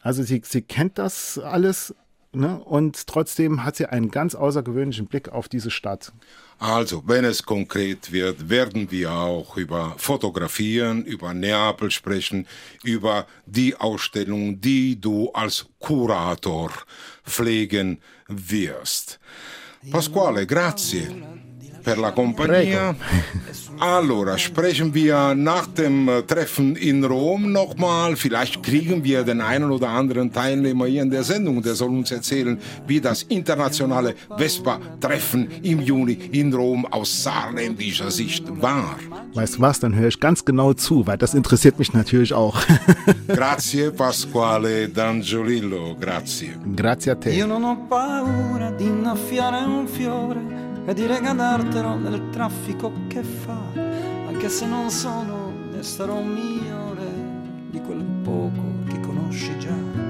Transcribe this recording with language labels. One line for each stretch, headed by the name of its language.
German: Also sie kennt das alles, ne? Und trotzdem hat sie einen ganz außergewöhnlichen Blick auf diese Stadt. Also, wenn es konkret wird, werden wir auch über Fotografieren, über Neapel sprechen, über die Ausstellung, die du als Kurator pflegen wirst.
Italian: Pasquale, grazie per la compagnia. Prego. Allora,
German: sprechen wir nach dem Treffen in Rom nochmal. Vielleicht kriegen wir den einen oder anderen Teilnehmer hier in der Sendung, der soll uns erzählen, wie das internationale Vespa-Treffen im Juni in Rom aus saarländischer Sicht war. Weißt du was, dann höre ich ganz genau zu, weil das interessiert mich natürlich auch.
Italian: Grazie Pasquale D'Angiolillo, grazie. Grazie a te. Io non ho paura di innaffiare un fiore e di regalartelo nel traffico che fa, anche se non sono e sarò migliore di quel poco che conosci già.